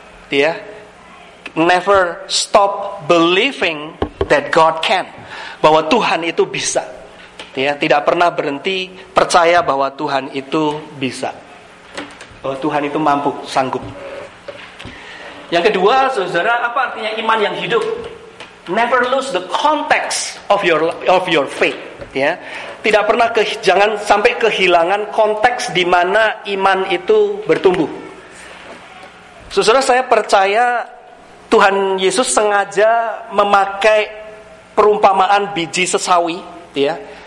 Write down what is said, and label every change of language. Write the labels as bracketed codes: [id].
[en] Ya, never stop believing that God can, [id] bahwa Tuhan itu bisa. Ya, tidak pernah berhenti percaya bahwa Tuhan itu bisa, bahwa Tuhan itu mampu, sanggup. Yang kedua, Saudara, apa artinya iman yang hidup? [en] Never lose the context of your faith. [id] Ya, tidak pernah jangan sampai kehilangan konteks di mana iman itu bertumbuh. Saudara, saya percaya Tuhan Yesus sengaja memakai perumpamaan biji sesawi, ya.